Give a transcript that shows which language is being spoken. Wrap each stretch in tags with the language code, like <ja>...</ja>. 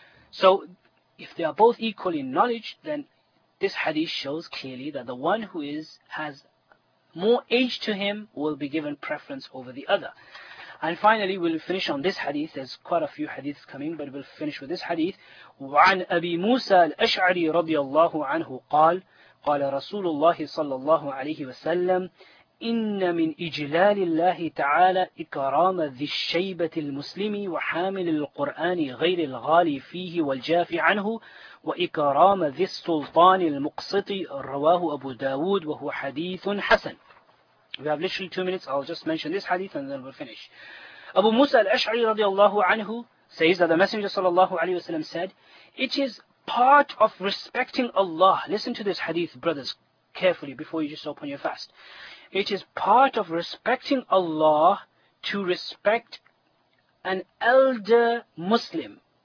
<en>So, if they are both equal in knowledge, then this hadith shows clearly that the one who has more age to him will be given preference over the other. And finally, we'll finish on this hadith. There's quite a few hadiths coming, but we'll finish with this hadith.</en> <ar>وعن أبي موسى الأشعري رضي الله عنه قال قال رسول الله صلى الله عليه وسلم إن من إجلال الله تعالى إكرام ذي الشيبة المسلم وحامل القرآن غير الغالي فيه والجاف عنه وإكرام ذي السلطان المقسط رواه أبو داود وهو حديث حسن.</ar> <en>We have literally 2 minutes. I'll just mention this hadith and then we'll finish. Abu Musa al-Ash'ari radiallahu anhu says that the Messenger sallallahu alayhi wa sallam said, it is part of respecting Allah. Listen to this hadith, brothers, carefully before you just open your fast. It is part of respecting Allah to respect an elder Muslim.</en>